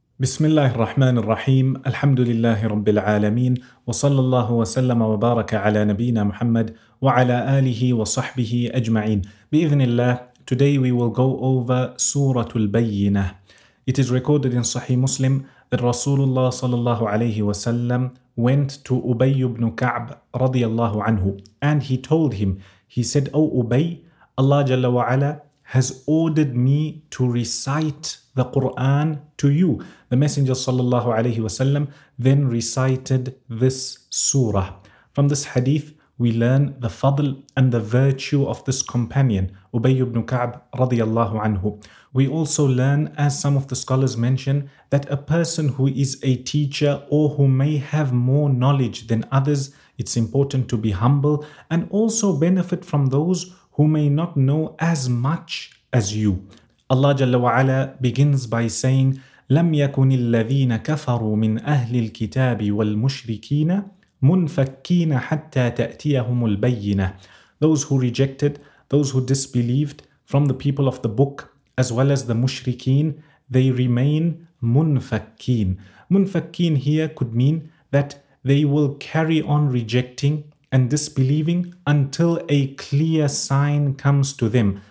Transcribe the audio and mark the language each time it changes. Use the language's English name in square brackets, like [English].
[Arabic] بسم الله الرحمن الرحيم الحمد لله رب العالمين وصلى الله وسلم وبارك على نبينا محمد وعلى آله وصحبه أجمعين بإذن الله. [English] Today we will go over Surah Al-Bayyinah. It is recorded in Sahih Muslim that Rasulullah [Arabic] صلى الله عليه وسلم [English] went to Ubay ibn Ka'b [Arabic] رضي الله عنه [English] and he told him, he said, O Ubay, Allah [Arabic] جل وعلا [English] has ordered me to recite the Quran to you. The Messenger sallallahu alayhi wasallam then recited this surah. From this hadith, we learn the fadl and the virtue of this companion, Ubay ibn Ka'b radiyallahu anhu. We also learn, as some of the scholars mention, that a person who is a teacher or who may have more knowledge than others, it's important to be humble and also benefit from those who may not know as much as you. Allah Jalla wa Ala begins by saying, [Arabic] لَمْ يَكُنِ الَّذِينَ كَفَرُوا مِنْ أَهْلِ الْكِتَابِ وَالْمُشْرِكِينَ مُنْفَكِّينَ حَتَّى تَأْتِيَهُمُ الْبَيِّنَةِ. [English] Those who rejected, those who disbelieved from the people of the book, as well as the mushrikeen, they remain munfakkeen. Munfakkeen here could mean that they will carry on rejecting and disbelieving until a clear sign comes to them.